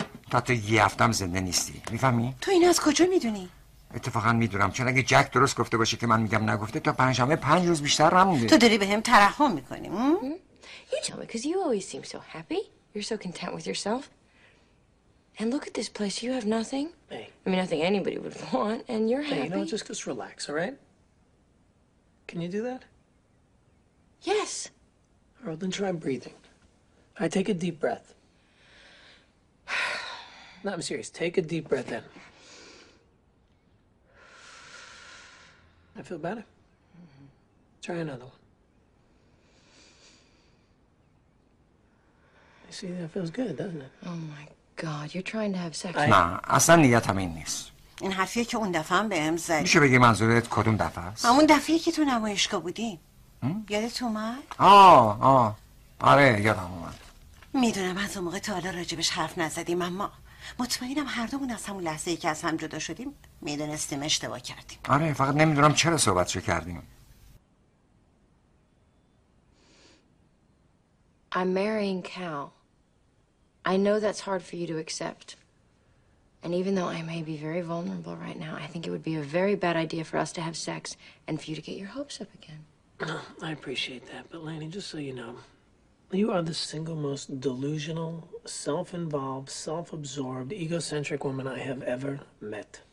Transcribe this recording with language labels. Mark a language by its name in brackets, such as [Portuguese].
[Persian] تا تو یه هفتم زنده نیستی، میفهمی؟ تو اینو از کجا میدونی؟ اتفاقا میدونم، چون اگه جک درست گفته باشه که من میگم نگفته تا پنجشنبه 5 روز بیشتر نمونده. تو داری به هم ترحم میکنی؟ [English] You tell me, because you always seem so happy. You're so content with yourself. And look at this place. You have nothing. Hey. I mean, nothing anybody would want, and you're happy. Hey, you know, just relax, all right? Can you do that? Yes. All right, then try breathing. I take a deep breath. No, I'm serious. Take a deep breath in. I feel better. Mm-hmm. Try another one. You see, that feels good, doesn't it? Oh, my God. You're trying to have sex. [Persian] نه، اصلا نیتم این نیست. این حرفیه که اون دفعه هم به هم زدی. میشه بگی منظورت کدوم دفعه هست؟ همون دفعیه که تو نمایشگاه بودیم. یادت اومد؟ آره یادم اومد. میدونم از اون موقع تا حالا راجبش حرف نزدیم، اما مطمئنم هر دومون از همون لحظه ای که از هم جدا شدیم میدونستیم اشتباه کردیم. آره، فقط نمیدونم چرا صحبتشو کردیم. [English] I'm marrying Cal. I know that's hard for you to accept. And even though I may be very vulnerable right now, I think it would be a very bad idea for us to have sex and for you to get your hopes up again. I appreciate that, but Lanny, just so you know, you are the single most delusional, self-involved, self-absorbed, egocentric woman I have ever met.